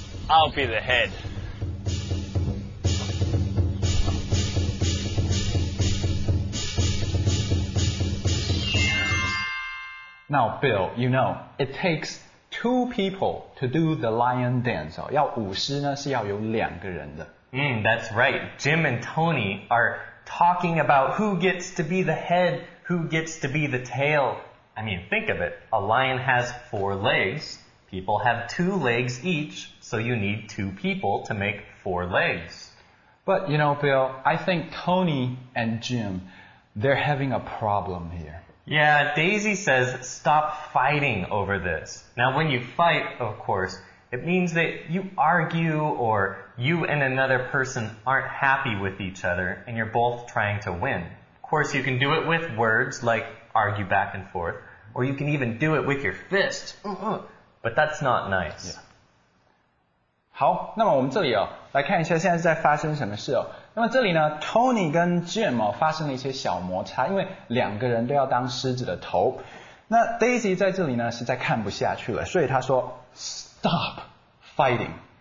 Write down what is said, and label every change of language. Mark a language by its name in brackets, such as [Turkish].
[English] I'll be the head. Now, Bill, you know, it takes two people to do the lion dance. [Chinese] 要舞狮呢是要有两个人的。 [English] That's right. Jim and Tony are talking about who gets to be the head, who gets to be the tail. I mean, think of it. A lion has four legs. People have two legs each, so you need two people to make four legs. But, you know, Bill, I think Tony and Jim, they're having a problem here. Yeah, Daisy says stop fighting over this. Now, when you fight, of course, it means that you argue or you and another person aren't happy with each other and you're both trying to win. Of course, you can do it with words like,argue back and forth, or you can even do it with your fist. But that's not nice. Yeah. [Chinese] 好，那么我们这里哦，来看一下现在在发生什么事哦。那么这里呢 ，Tony 跟 Jim 哦发生了一些小摩擦，因为两个人都要当狮子的头。那 Daisy 在这里呢实在看不下去了，所以她说 [English] Stop fighting。